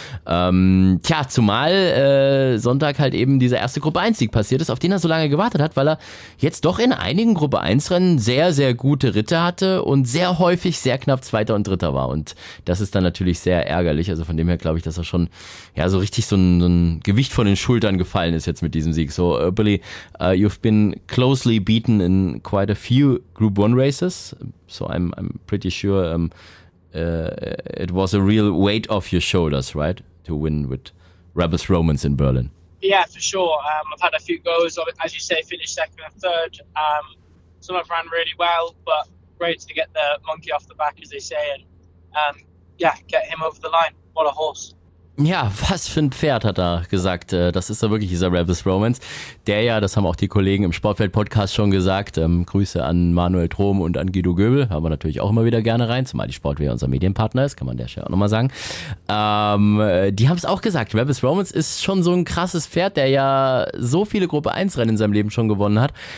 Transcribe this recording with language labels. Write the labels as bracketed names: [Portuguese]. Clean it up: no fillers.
[German] Tja, zumal Sonntag halt eben dieser erste Gruppe 1-Sieg passiert ist, auf den er so lange gewartet hat, weil er jetzt doch in einigen Gruppe 1-Rennen sehr, sehr gute Ritte hatte und sehr häufig sehr knapp Zweiter und Dritter war. Und das ist dann natürlich sehr ärgerlich. Also von dem her glaube ich, dass er schon ja so richtig so ein Gewicht von den Schultern gefallen ist jetzt mit diesem Sieg. [English] So, Billy, you've been closely beaten in quite a few Group 1 races, so I'm pretty sure it was a real weight off your shoulders, right, to win with Rebels Romans in Berlin. Yeah, for sure. I've had a few goes, as you say, finished second and third. Some have ran really well, but great to get the monkey off the back, as they say, and yeah, get him over the line. What a horse. [German] Ja, was für ein Pferd, hat er gesagt. Das ist ja wirklich dieser Rebels Romans. Der ja, das haben auch die Kollegen im Sportwelt-Podcast schon gesagt, Grüße an Manuel Trom und an Guido Göbel. Hören wir natürlich auch immer wieder gerne rein, zumal die Sportwelt unser Medienpartner ist, kann man der Stelle auch nochmal sagen. Die haben es auch gesagt, Rebels Romans ist schon so ein krasses Pferd, der ja so viele Gruppe 1 Rennen in seinem Leben schon gewonnen hat.